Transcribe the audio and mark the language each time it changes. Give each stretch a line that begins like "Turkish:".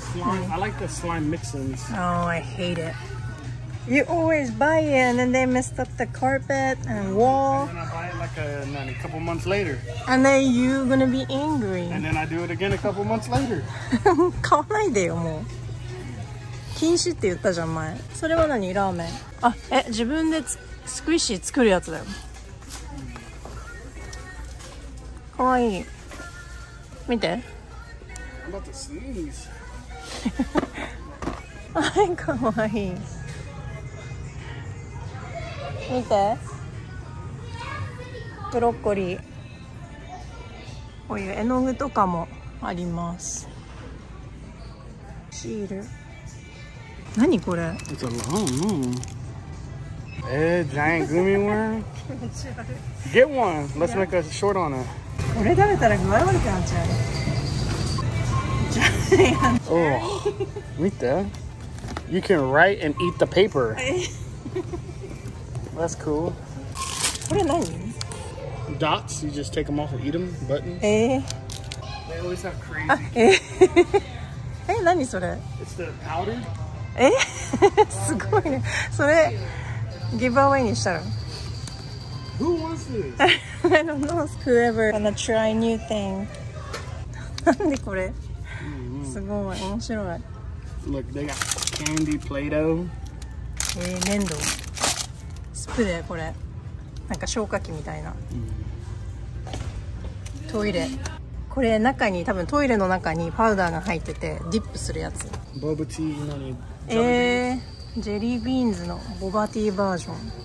English: Slime. I like the slime mixins. Oh, I hate it. You always buy it and then they messed up the carpet and wall. And then I buy it like a couple months later. And then you're gonna be angry. And then I do it again a couple months later.
Japanese: 買わないでよもう。禁止って言ったじゃん前。それは何？ラーメン。あ、え、自分でスクイッシー作るやつだよ。かわいい。見て。
English: I'm about to sneeze.
Japanese: あ、かわいい。見て。ブロッコリー。こういう絵の具とかもあります。シール。何これ
English: ？It's a long one. Giant gummy worm.
Japanese: 気持ち悪い。
English: Get one. Let's make a short on it.
Japanese: これ食べたら具合悪くなっちゃう。ジャイアント。見て。
English: You can write and eat the paper. That's cool.
Japanese: これ何？
English: Dots. You just take them off and eat them. Buttons.
Japanese: え。
English: They always have crazy.
Japanese: え。え、何それ
English: ？It's the powder.
Japanese: え、すごいね。それギブアウェイにしたら。
English: Who wants this? I don't know. Whoever gonna try new thing.
Japanese: なんでこれ？すごい面白い。
English: Look, they got candy Play-Doh.
Japanese: 粘土。スプレーこれ。なんか消火器みたいな。トイレ。これ中に多分トイレの中にパウダーが入っててディップするやつ。ボブティー何？ジェリービーンズのボバティーバージョン。